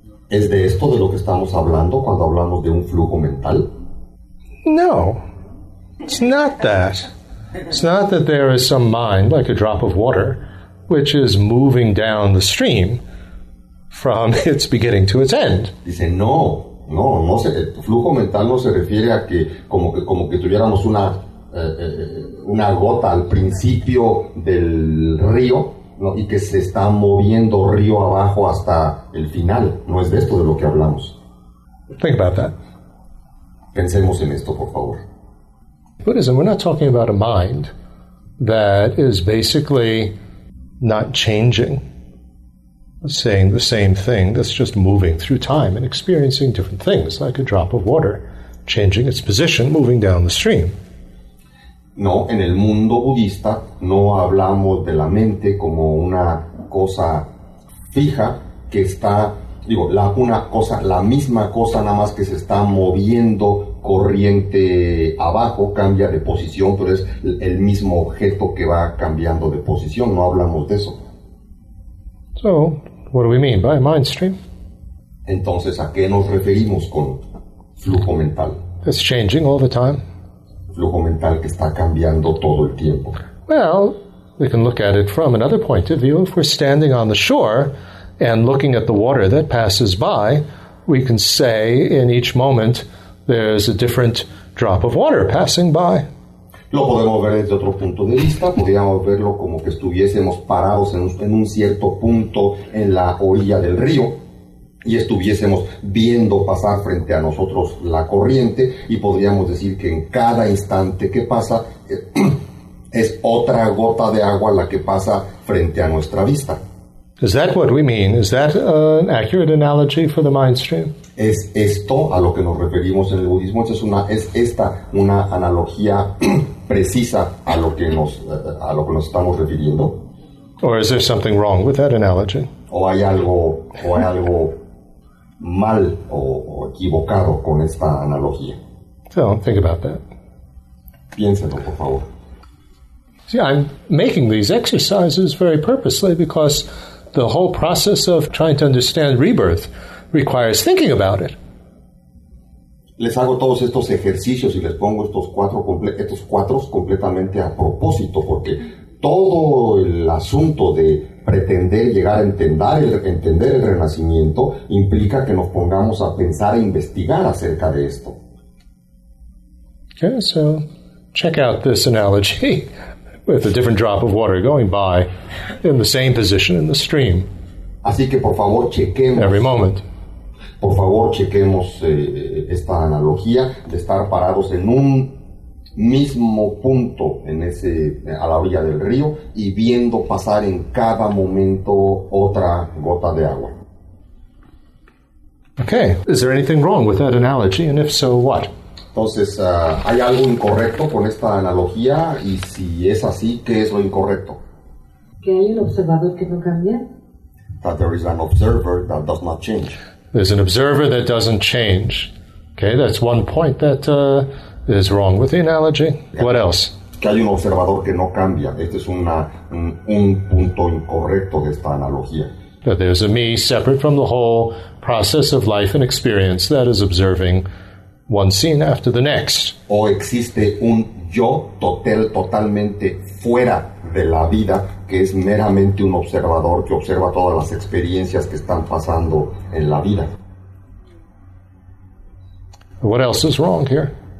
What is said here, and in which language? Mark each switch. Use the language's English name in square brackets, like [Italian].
[Spanish] ¿Es de esto de lo que estamos hablando cuando hablamos de un flujo mental? [English] No. It's not that. It's not that there is some mind, like a drop of water, which is moving down the stream from its beginning to its end. [Spanish] Dice, no, no, no se, el flujo mental no se refiere a que como que tuviéramos una gota al principio del río, ¿no? Y que se está moviendo río abajo hasta el final. No es de esto de lo que hablamos. [English] Think about that. [Spanish] Pensemos en esto, por favor. [English] Buddhism, we're not talking about a mind that is basically not changing, saying the same thing, that's just moving through time and experiencing different things, like a drop of water, changing its position, moving down the stream. [Spanish] No, en el mundo budista no hablamos de la mente como una cosa fija que está, digo, la misma cosa nada más que se está moviendo corriente abajo, cambia de posición, pero es el mismo objeto que va cambiando de posición, no hablamos de eso. [English] So, what do we mean by mind stream? [Spanish] Entonces, ¿a qué nos referimos con flujo mental? [English] It's changing all the time. [Spanish] Flujo mental que está cambiando todo el tiempo. [English] Well, we can look at it from another point of view. If we're standing on the shore and looking at the water that passes by, we can say in each moment there's a different drop of water passing by. [Spanish] Lo podemos ver desde otro punto de vista. Podríamos verlo como que estuviésemos parados en un cierto punto en la orilla del río y estuviésemos viendo pasar frente a nosotros la corriente, y podríamos decir que en cada instante que pasa es otra gota de agua la que pasa frente a nuestra vista. [English] Is that what we mean? Is that an accurate analogy for the mind stream? [Spanish] ¿Es esto a lo que nos referimos en el budismo? ¿Es esta una analogía precisa a lo que nos estamos refiriendo? [English] Or is there something wrong with that analogy? [Spanish] ¿O hay algo mal o equivocado con esta analogía? [English] So, think about that. [Spanish] Piénsalo, por favor. [English] See, I'm making these exercises very purposely because the whole process of trying to understand rebirth requires thinking about it. [Spanish] Les hago todos estos ejercicios y les pongo estos cuatro completamente a propósito, porque todo el asunto de pretender llegar a entender el renacimiento implica que nos pongamos a pensar e investigar acerca de esto. [English] Okay, so check out this analogy with a different drop of water going by in the same position in the stream. [Spanish] Así que por favor chequemos. [English] Every moment. [Spanish] Por favor chequemos esta analogía de estar parados en un mismo punto a la orilla del río y viendo pasar en cada momento otra gota de agua. [English] Okay. Is there anything wrong with that analogy? And if so, what? [Spanish] Entonces, ¿hay algo incorrecto con esta analogía? Y si es así, ¿qué es lo incorrecto? Que hay un observador que no cambia. [English] That there is an observer that does not change. There's an observer that doesn't change. Okay, that's one point that is wrong with the analogy. What else? [Spanish] Que hay un observador que no cambia. Este es un punto incorrecto de esta analogía. [English] That there's a me separate from the whole process of life and experience that is observing one scene after the next. [Spanish] O existe un yo totalmente fuera de la vida, que es meramente un observador que observa todas las experiencias que están pasando en la vida. [English] What else is wrong here?